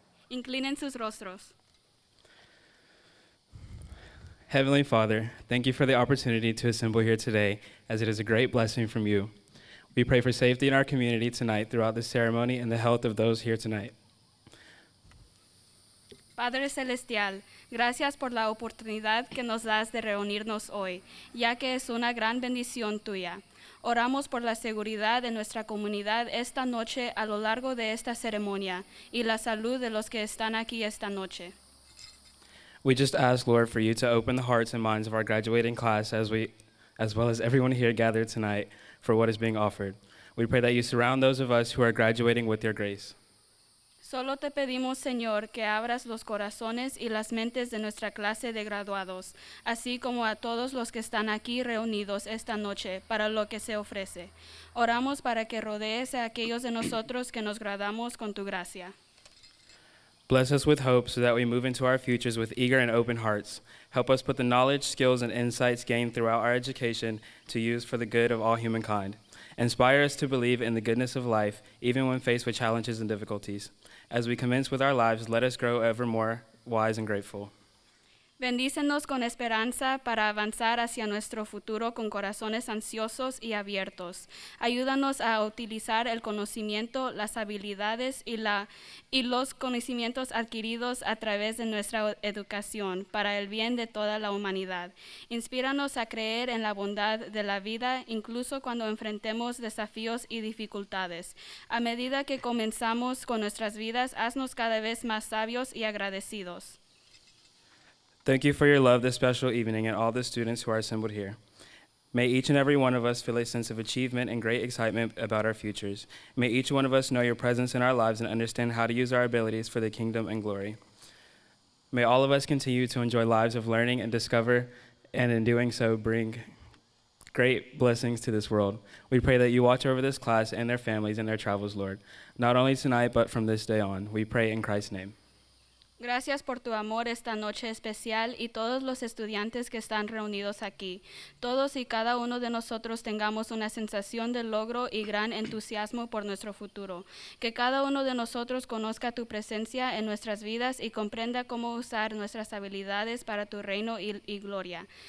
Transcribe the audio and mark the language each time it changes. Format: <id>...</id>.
<es>Inclinen sus rostros.</es> <en>Heavenly Father, thank you for the opportunity to assemble here today, as it is a great blessing from you. We pray for safety in our community tonight throughout this ceremony and the health of those here tonight.</en> <es>Padre Celestial, gracias por la oportunidad que nos das de reunirnos hoy, ya que es una gran bendición tuya. Oramos por la seguridad de nuestra comunidad esta noche a lo largo de esta ceremonia y la salud de los que están aquí esta noche.</es> <en>We just ask, Lord, for you to open the hearts and minds of our graduating class as well as everyone here gathered tonight for what is being offered. We pray that you surround those of us who are graduating with your grace.</en> <es>Solo te pedimos, Señor, que abras los corazones y las mentes de nuestra clase de graduados, así como a todos los que están aquí reunidos esta noche para lo que se ofrece. Oramos para que rodees a aquellos de nosotros que nos graduamos con tu gracia.</es> <en>Bless us with hope so that we move into our futures with eager and open hearts. Help us put the knowledge, skills, and insights gained throughout our education to use for the good of all humankind. Inspire us to believe in the goodness of life, even when faced with challenges and difficulties. As we commence with our lives, let us grow ever more wise and grateful.</en> <es>Bendícenos con esperanza para avanzar hacia nuestro futuro con corazones ansiosos y abiertos. Ayúdanos a utilizar el conocimiento, las habilidades y los conocimientos adquiridos a través de nuestra educación para el bien de toda la humanidad. Inspíranos a creer en la bondad de la vida, incluso cuando enfrentemos desafíos y dificultades. A medida que comenzamos con nuestras vidas, haznos cada vez más sabios y agradecidos.</es> <en>Thank you for your love this special evening and all the students who are assembled here. May each and every one of us feel a sense of achievement and great excitement about our futures. May each one of us know your presence in our lives and understand how to use our abilities for the kingdom and glory. May all of us continue to enjoy lives of learning and discover, and in doing so, bring great blessings to this world. We pray that you watch over this class and their families and their travels, Lord, not only tonight, but from this day on. We pray in Christ's name.</en> <es>Gracias por tu amor esta noche especial y todos los estudiantes que están reunidos aquí. Todos y cada uno de nosotros tengamos una sensación de logro y gran entusiasmo por nuestro futuro. Que cada uno de nosotros conozca tu presencia en nuestras vidas y comprenda cómo usar nuestras habilidades para tu reino y gloria.</es>